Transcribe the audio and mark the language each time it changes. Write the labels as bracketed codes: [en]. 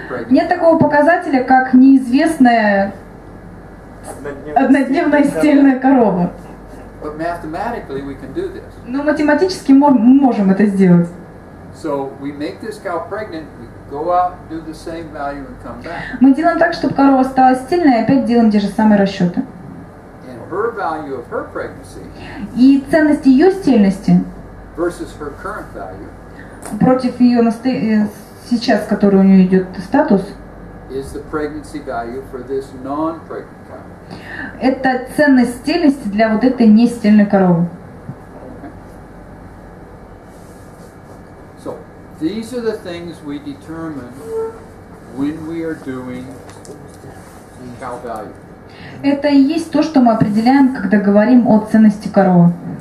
[ru] Нет такого показателя, как неизвестная однодневная стерильная корова. [en] But mathematically we can do this. [ru] Но математически мы можем это сделать. [en] So we make this cow pregnant, we go out, do the same value and come back. [ru] Мы делаем так, чтобы корова стала стерильной, и опять делаем те же самые расчеты. [en] And her value of her pregnancy. [ru] И ценность ее стерильности. [en] Versus her current value. [ru] Против ее сейчас, который у нее идет статус. [en] Is the pregnancy value for this non-pregnant? [ru] Это ценность стерильности для вот этой нестерильной коровы. [en] So, these are the things we determine when we are doing cow value. [ru] Это и есть то, что мы определяем, когда говорим о ценности коровы.